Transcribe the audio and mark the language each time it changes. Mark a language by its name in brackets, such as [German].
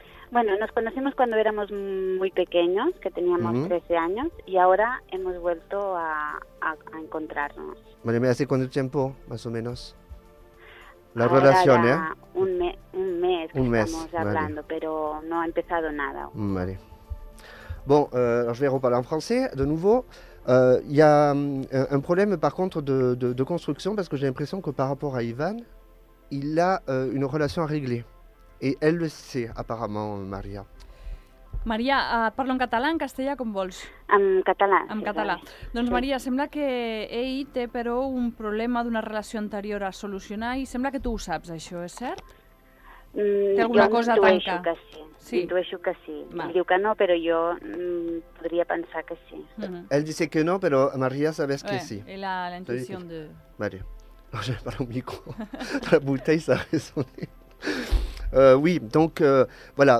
[Spanish] Bueno, nos conocimos cuando éramos muy pequeños, que teníamos 13 años, y ahora hemos vuelto a encontrarnos. Vale, ¿me hace cuánto tiempo, más o menos? La ahora relación, ¿eh? Un mes. Estamos hablando, vale. Pero no ha empezado nada. Vale. [French] Bon, alors je vais reparler en français de nouveau. Il y a un problème par contre de construction parce que j'ai l'impression que par rapport à Ivan, il a une relation à régler. Et elle le sait apparemment, Maria. [Catalan] Maria, parlo en català, en castellà, com vols? En català. En català. Doncs Maria, sembla que ell té però un problema d'una relació anterior a solucionar i sembla que tu ho saps, això, és cert? Té alguna cosa a tancar? Sí. Intueixo que sí. Va. Diu que no, però jo podria pensar que sí. Ell dice que no, però Maria sabés que sí. [Spanish] La intuición de... [French] Vale. Je n'ai pas le micro. La bouteille, ça a résonné. Oui, donc voilà.